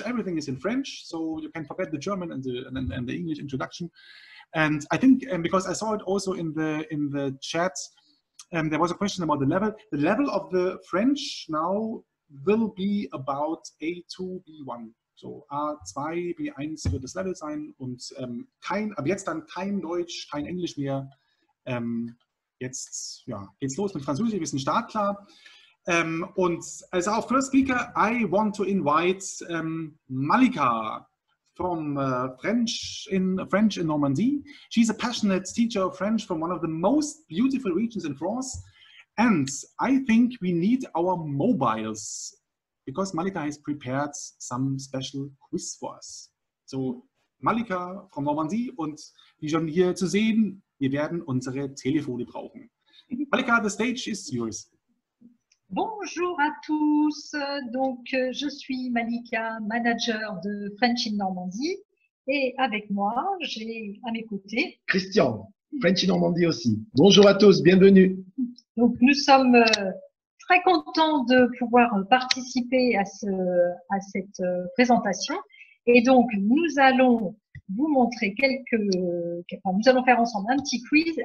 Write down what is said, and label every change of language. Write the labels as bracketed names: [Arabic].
[English] Everything is in French, so you can forget the German and the English introduction. And I think, because I saw it also in the chat, there was a question about the level. The level of the French now will be about A2, B1. [German] So A2, B1 wird das Level sein. Und kein, ab jetzt dann kein Deutsch, kein Englisch mehr. Jetzt ja, geht's los mit Französisch, wir sind startklar. [English] And as our first speaker, I want to invite Malika from French in Normandy. She's a passionate teacher of French from one of the most beautiful regions in France. And I think we need our mobiles because Malika has prepared some special quiz for us. So Malika from Normandy [German] und wie schon hier zu sehen, wir werden unsere Telefone brauchen. [English] Malika, the stage is yours. [French] Bonjour à tous, donc je suis Malika, manager de French in Normandie et avec moi, j'ai à mes côtés Christian, French in Normandie aussi. Bonjour à tous, bienvenue. Donc nous sommes très contents de pouvoir participer à, ce, à cette présentation et donc nous allons vous montrer quelques, enfin, nous allons faire ensemble un petit quiz.